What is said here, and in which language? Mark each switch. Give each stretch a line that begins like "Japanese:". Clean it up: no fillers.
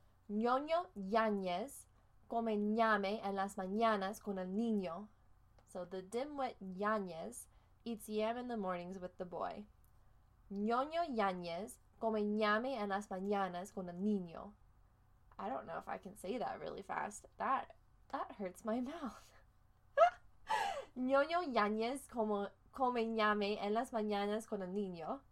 Spanish: Ñoño Yáñez come ñame en las mañanas con el niño.
English: So the dimwit Yáñez eats yam in the mornings with the boy.
Spanish: Ñoño Yáñez come ñame en las mañanas con el niño.
English: I don't know if I can say that really fast. That hurts my mouth.
Spanish: Ñoño Yáñez come ñame en las mañanas con el niño.